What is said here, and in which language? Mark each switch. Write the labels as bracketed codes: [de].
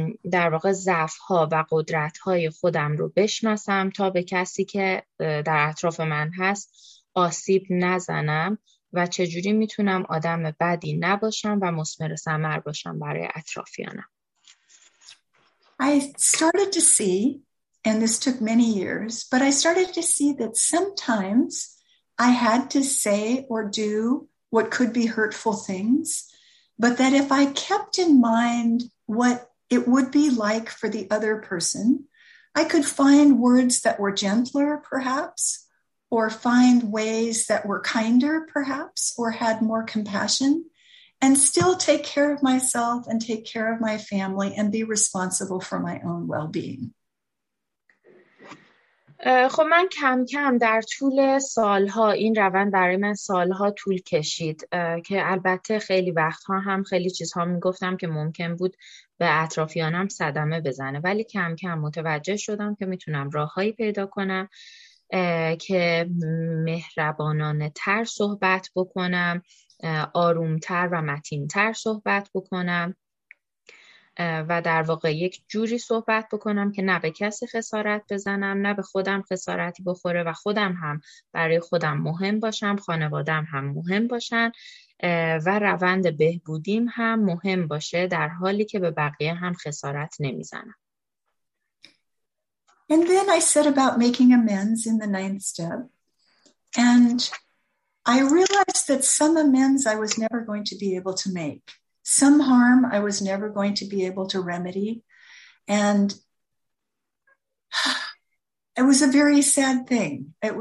[fa] در واقع ضعف‌ها و قدرت‌های خودم رو بشناسم تا به کسی که در اطراف من هست آسیب نزنم و چجوری میتونم آدم بدی نباشم و مثمر ثمر باشم برای اطرافیانم. [en] I started to see, and this took many years, but I started to see that sometimes I had to say or do what could be hurtful things, but that if I kept in mind what it would be like for the other person, I could find words that were gentler, perhaps, or find ways that were kinder, perhaps, or had more compassion, and still take care of myself and take care of my family and be responsible for my own well-being. [fa] خب من کم کم در طول سالها، این روند برای من سالها طول کشید که البته خیلی وقتها هم خیلی چیزها میگفتم که ممکن بود به اطرافیانم صدمه بزنه، ولی کم کم متوجه شدم که میتونم راههایی پیدا کنم که مهربانانه تر صحبت بکنم، آرومتر و متین‌تر صحبت بکنم و در واقع یک جوری صحبت بکنم که نه به کسی خسارت بزنم، نه به خودم خسارتی بخوره و خودم هم برای خودم مهم باشم، خانوادم هم مهم باشن و روند بهبودیم هم مهم باشه در حالی که به بقیه هم خسارت نمیزنم. [en] And then I set about making amends in the 9th step. And I realized that some amends I was never going to be able to make. Some harm I was never going to be able to remedy. And it was a very sad thing.